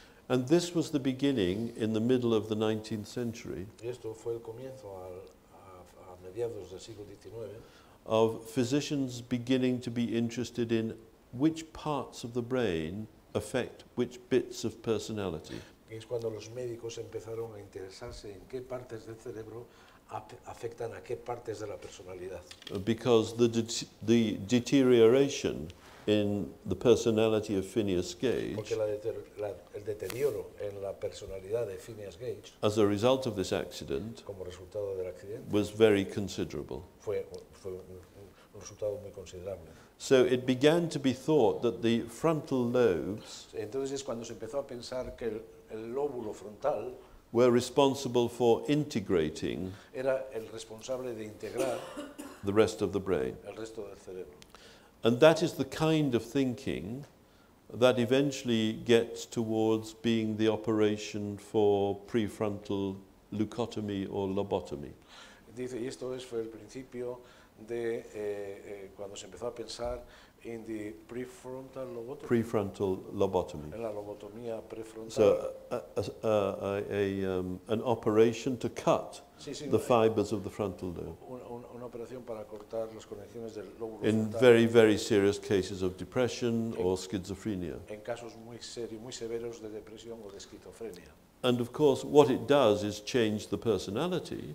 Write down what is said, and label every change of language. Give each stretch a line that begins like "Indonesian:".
English: And this was the beginning in the middle of the 19th century.
Spanish: Y esto fue el comienzo a mediados del siglo XIX.
English: Of physicians beginning to be interested in which parts of the brain affect which bits of personality.
Spanish: Es cuando los médicos empezaron a interesarse en qué partes del cerebro afectan a qué partes de la personalidad.
English: Because the deterioration in the personality of Phineas Gage.
Spanish: Porque el deterioro en la personalidad de Phineas Gage.
English: As a result of this accident.
Spanish: Como resultado del accidente.
English: Was very considerable.
Spanish: Fue un resultado muy considerable.
English: So it began to be thought that the frontal lobes.
Spanish: Entonces es cuando se empezó a pensar que el lóbulo frontal.
English: Were responsible for integrating.
Spanish: Era el responsable de integrar.
English: The rest of the brain.
Spanish: El resto del cerebro.
English: And that is the kind of thinking that eventually gets towards being the operation for prefrontal leucotomy or lobotomy.
Spanish: Dice, y esto es fue el principio de cuando se empezó a pensar en
English: the prefrontal lobotomy. Prefrontal lobotomy.
Spanish: En la lobotomía prefrontal.
English: So an operation to cut the fibers of the frontal lobe.
Spanish: Una operación para cortar las conexiones del lóbulo frontal.
English: In very, very serious cases of depression or schizophrenia.
Spanish: En casos muy serios, muy severos de depresión o de esquizofrenia.
English: And of course, what it does is change the personality.